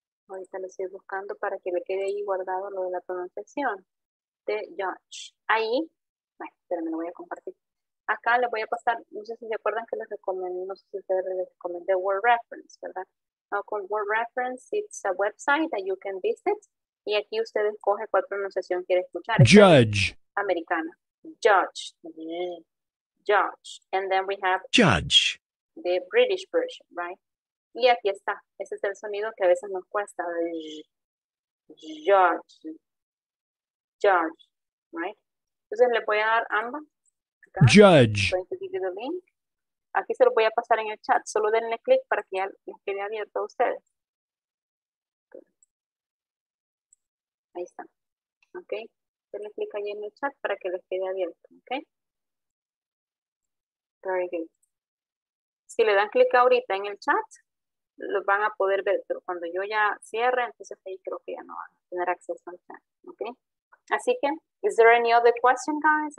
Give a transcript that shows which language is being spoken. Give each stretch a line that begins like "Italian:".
Spanish: Ahorita lo estoy buscando para que le quede ahí guardado lo de la pronunciación de judge. Ahí, bueno, espérame, lo voy a compartir. Acá le voy a pasar, no sé si se acuerdan que les recomendé, no sé si ustedes les recomendé Word Reference, ¿verdad?
English: No, con Word Reference, it's a website that you can visit.
Spanish: Y aquí usted escoge cuál pronunciación quiere escuchar.
English: Judge. Americana. Judge. Judge. And then we have judge. The British version, right?
Spanish: Y aquí está. Ese es el sonido que a veces nos cuesta.
English: George. George. Right?
Spanish: Entonces le voy a dar ambas. Acá. Judge.
English: I'm going to give you the link.
Spanish: Aquí se lo voy a pasar en el chat. Solo denle clic para que ya les quede abierto a ustedes. Ahí está. Ok. denle clic ahí en el chat para que les quede abierto, ¿ok?
English: Very good.
Spanish: Si le dan clic ahorita en el chat, los van a poder ver, pero cuando yo ya cierre, entonces ahí creo que ya no van a tener acceso al chat, ¿ok? Así que,
English: is there any other question, guys?